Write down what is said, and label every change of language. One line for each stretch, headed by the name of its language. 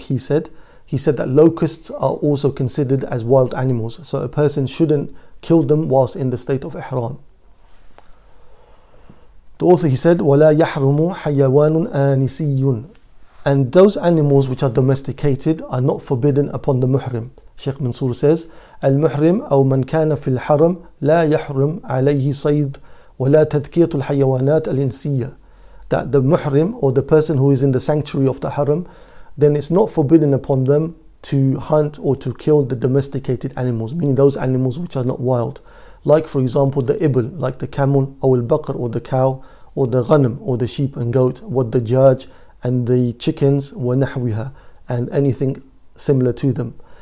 English: He said that locusts are also considered as wild animals, so a person shouldn't kill them whilst in the state of ihram. The author, he said,
Arabic: وَلَا يَحْرُمُ حَيَّوَانٌ آنِسِيٌّ.
English: And those animals which are domesticated are not forbidden upon the muhrim. Sheikh Mansour says,
Arabic: المحرم أو من كان في الحرم لا يحرم عليه صيد ولا تذكية الحيوانات الإنسية.
English: That the muhrim, or the person who is in the sanctuary of the haram, then it's not forbidden upon them to hunt or to kill the domesticated animals, meaning those animals which are not wild. Like, for example, the ibl, like the camel, or the baqr, or the cow, or the ghanim, or the sheep and goat, what the jaj and the chickens,
Arabic: wa nahwiha,
English: and anything similar to them.